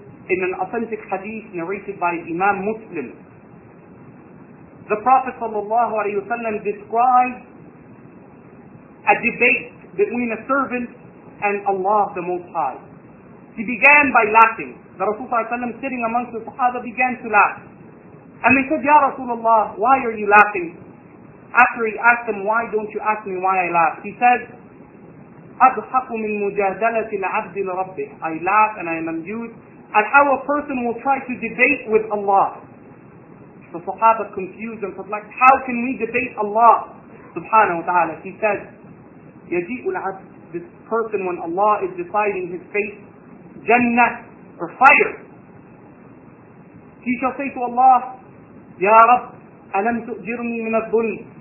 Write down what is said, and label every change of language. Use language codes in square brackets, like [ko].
[en] In an authentic hadith narrated by Imam Muslim, the Prophet sallallahu alayhi wa sallam described a debate between a servant and Allah the Most High. He began by laughing. The Rasul ﷺ sitting amongst the Sahaba began to laugh. And they said, Ya Rasulullah, why are you laughing? After he asked them, why don't you ask me why I laugh? He said, [ar] أَضْحَقُ مِن مُجَادَلَةِ الْعَبْدِ لِرَبِّهِ. [en] I laugh and I am amused at how a person will try to debate with Allah. The Sahaba confused and perplexed, how can we debate Allah subhanahu wa ta'ala? He said, [ar] يَجِئُ الْعَبْدِ. [en] This person, when Allah is deciding his fate, Jannah or fire, he shall say to Allah, Ya Rabb, alam tu'jirni min al-dhulm.